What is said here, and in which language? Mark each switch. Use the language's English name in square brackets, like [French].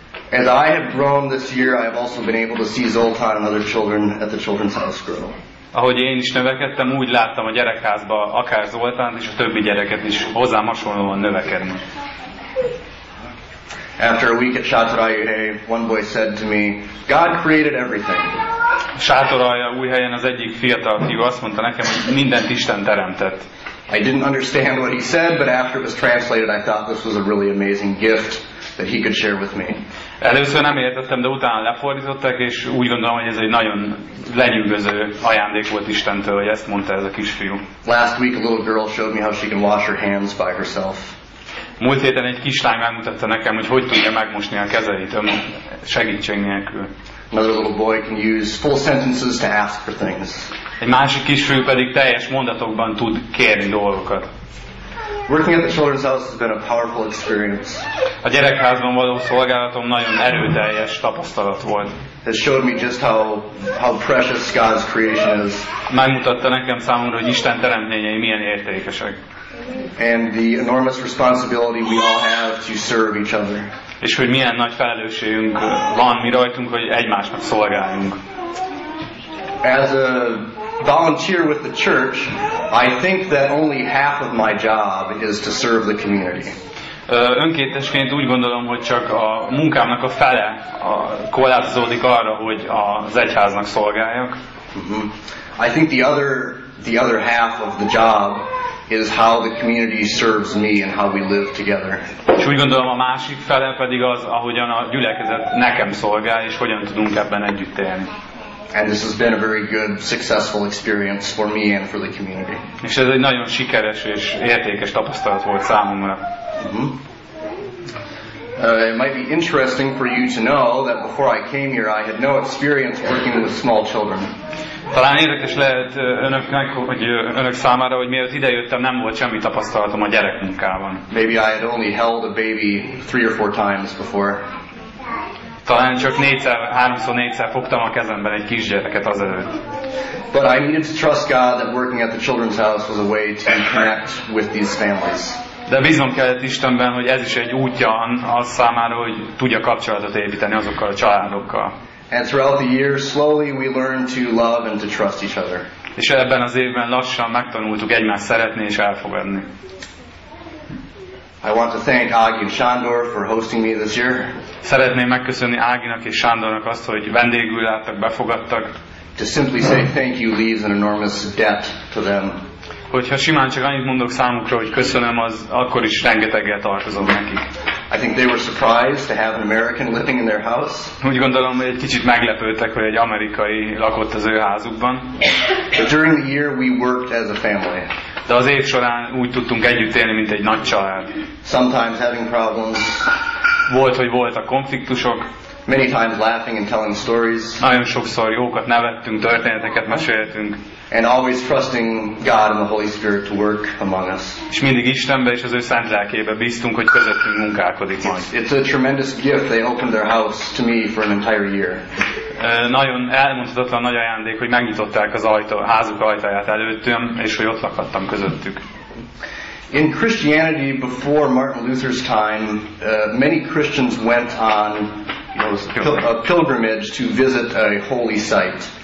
[English] As I have grown this year, I have also been able to see Zoltán and other children at the children's house grow. [Hungarian] Ahogy én is növekedtem, úgy láttam a gyerekházba akár Zoltánt és a többi gyereket is hozzám hasonlóan növekedni. [English] After a week at Sátorájúhé, one boy said to me, "God created everything." [Hungarian] Sátoralja új helyen az egyik fiatal fiú azt mondta nekem, hogy mindent Isten teremtett. [English] I didn't understand what he said, but after it was translated, I thought this was a really amazing gift that he could share with me. [Hungarian] Először nem értettem, de utána lefordították, és úgy gondolom, hogy ez egy nagyon lenyűgöző ajándék volt Istentől, hogy ezt mondta ez a kisfiú. [English] Last week a little girl showed me how she can wash her hands by herself. [Hungarian] Múlt héten egy kislány megmutatta nekem, hogy hogy tudja megmosni a kezeit segítség nélkül. [English] Another little boy can use full sentences to ask for things. [Hungarian] Egy másik kisfiú pedig teljes mondatokban tud kérni dolgokat. [English] Working at the children's house has been a powerful experience. [Hungarian] A gyerekházban való szolgálatom nagyon erőteljes tapasztalat volt. [English] It showed me just how precious God's creation is. [Hungarian] Megmutatta nekem számomra, hogy Isten teremtményei milyen értékesek. [English] And the enormous responsibility we all have to serve each other. [Hungarian] És hogy milyen nagy felelősségünk van mi rajtunk, hogy egymásnak szolgáljunk. [English] As a volunteer with the church, I think that only half of my job is to serve the community. [Hungarian] Önkéntesként úgy gondolom, hogy csak a munkámnak a fele korlátozódik arra, hogy az egyháznak szolgáljak. [English] I think the other half of the job is how the community serves me and how we live together. [Hungarian] És úgy gondolom, a másik fele pedig az, ahogyan a gyülekezet nekem szolgál, és hogyan tudunk ebben együtt élni. [English] And this has been a very good, successful experience for me and for the community. [Hungarian] És ez egy nagyon sikeres és értékes tapasztalat volt számomra. [English] It might be interesting for you to know that before I came here, I had no experience working with small children. [Hungarian] Talán érdekes lehet önöknek, hogy önök számára, hogy mielőtt idejöttem, nem volt semmi tapasztalatom a gyerekmunkában. [English] Maybe I had only held a baby 3 or 4 times before. [Hungarian] Talán csak 3-4-szer fogtam a kezemben egy kisgyereket azelőtt. [English] But I needed to trust God that working at the children's house was a way to connect with these families. [Hungarian] De bízom kellett Istenben, hogy ez is egy útja az számára, hogy tudja kapcsolatot építeni azokkal a családokkal. [English] And throughout the year, slowly we learned to love and to trust each other. [Hungarian] És ebben az évben lassan megtanultuk egymást szeretni és elfogadni. [English] I want to thank Ági and Sándor for hosting me this year. [Hungarian] Szeretném megköszönni Áginak és Sándornak azt, hogy vendégül láttak, befogadtak. [English] To simply say thank you leaves an enormous debt to them. [Hungarian] Hogyha simán csak annyit mondok számukra, hogy köszönöm, az akkor is rengeteget tartozom nekik. [English] I think they were surprised to have an American living in their house. [Hungarian] Úgy gondolom, hogy egy kicsit meglepődtek, hogy egy amerikai lakott az ő házukban. [English] But during the year we worked as a family. [Hungarian] De az év során úgy tudtunk együtt élni, mint egy nagy család. [English] Sometimes having problems. [Hungarian] Volt, hogy voltak konfliktusok. [English] Many times laughing and telling stories. [Hungarian] Nagyon sokszor jókat nevettünk, történeteket meséltünk. [English] And always trusting God and the Holy Spirit to work among us. [Hungarian] És mindig Istenbe és az ő Szent Lelkébe bíztunk, hogy közöttünk munkálkodik majd. [English] It's a tremendous gift they opened their house to me for an entire year. [Hungarian] Nagyon elmondhatatlan nagy ajándék, hogy megnyitották az ajtó, házuk ajtaját előttem, és hogy ott lakhattam közöttük. [English] In Christianity before Martin Luther's time, many Christians went on a pilgrimage to visit a holy site.